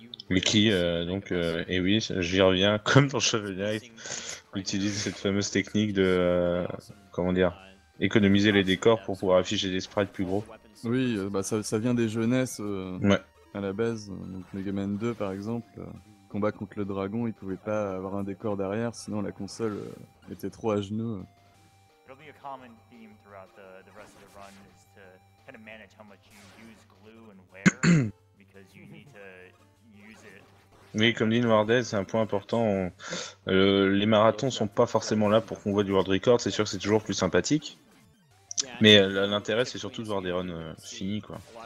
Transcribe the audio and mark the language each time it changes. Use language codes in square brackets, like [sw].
[fr] Wiki, et oui, j'y reviens, comme dans Shovel Knight, utilise cette fameuse technique de, comment dire, économiser les décors pour pouvoir afficher des sprites plus gros. Oui, ça vient des jeunesses ouais. À la base, donc Mega Man 2 par exemple. Combat contre le dragon, il pouvait pas avoir un décor derrière, sinon la console était trop à genoux. [en] It'll be a common theme throughout the rest of the run is to kind of manage how much you use glue and where because you need to use it. [fr] Oui, comme dit Noirdez, c'est un point important. Les marathons sont pas forcément là pour qu'on voit du world record, c'est sûr que c'est toujours plus sympathique. Mais l'intérêt c'est surtout de voir des runs finis quoi.